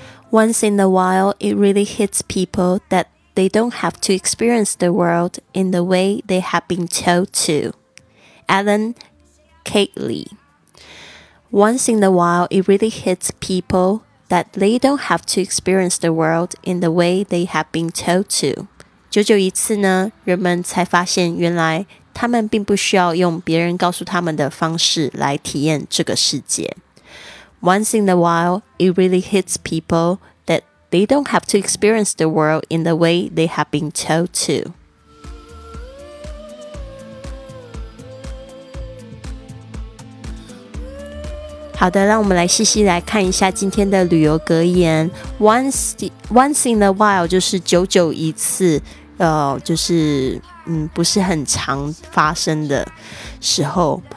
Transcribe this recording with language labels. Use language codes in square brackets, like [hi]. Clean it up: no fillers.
[en] Once in a while, it really hits people that they don't have to experience the world in the way they have been told to. Alan Kately. Once in a while, it really hits people that they don't have to experience the world in the way they have been told to. [zh] 久久一次呢，人们才发现原来他们并不需要用别人告诉他们的方式来体验这个世界。 [en] Once in a while, it really hits people that they don't have to experience the world in the way they have been told to. [zh] Ooh, 好的，让我们来细细来看一下今天的旅游格言。 [en] Once in a while [zh] 就是久久一次，就是不是很常发生的时候。